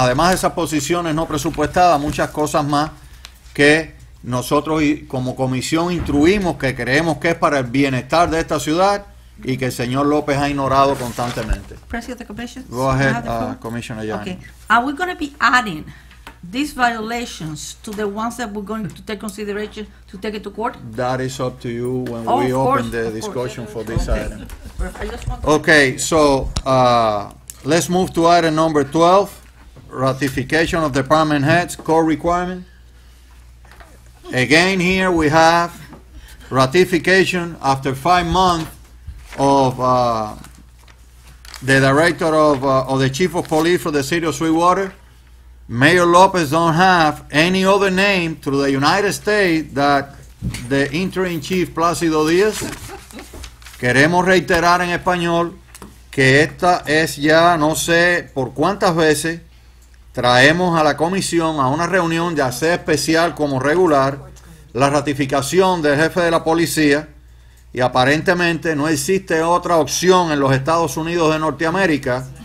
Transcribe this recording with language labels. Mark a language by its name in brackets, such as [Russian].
[Spanish] Además de esas posiciones no presupuestadas, muchas cosas más que nosotros como comisión instruimos que creemos que es para el bienestar de esta ciudad y que el señor López ha ignorado constantemente. [English] President of the Commission. Go ahead, Commissioner Yang. Okay. Are we going to be adding these violations to the ones that we're going to take consideration to take it to court? That is up to you when we open the discussion for this item. Okay, so let's move to item number 12, ratification of department heads, core requirement. Again, here we have ratification after 5 months of the director of the chief of police for the city of Sweetwater. Mayor Lopez don't have any other name to the United States that the interim chief Plácido Díaz. [Spanish] Queremos reiterar en español que esta es ya, no sé por cuántas veces, traemos a la comisión a una reunión, ya sea especial como regular, la ratificación del jefe de la policía, y aparentemente no existe otra opción en los Estados Unidos de Norteamérica